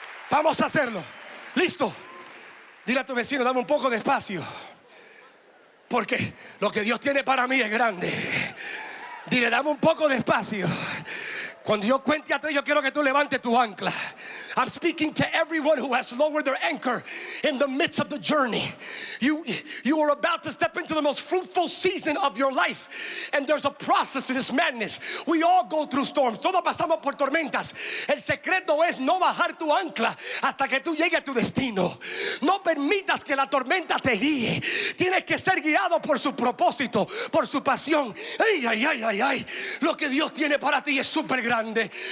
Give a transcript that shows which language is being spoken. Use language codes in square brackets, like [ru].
[es] Vamos a hacerlo. Listo. Dile a tu vecino, dame un poco de espacio, porque lo que Dios tiene para mí es grande. Dile, dame un poco de espacio. Cuando yo cuente a tres, yo quiero que tú levantes tu ancla. [en] I'm speaking to everyone who has lowered their anchor in the midst of the journey. You are about to step into the most fruitful season of your life. And there's a process to this madness. We all go through storms. [es] Todos pasamos por tormentas. El secreto es no bajar tu ancla hasta que tú llegues a tu destino. No permitas que la tormenta te guíe. Tienes que ser guiado por su propósito, por su pasión. Ay, ay, ay, ay, ay. Lo que Dios tiene para ti es súper grande.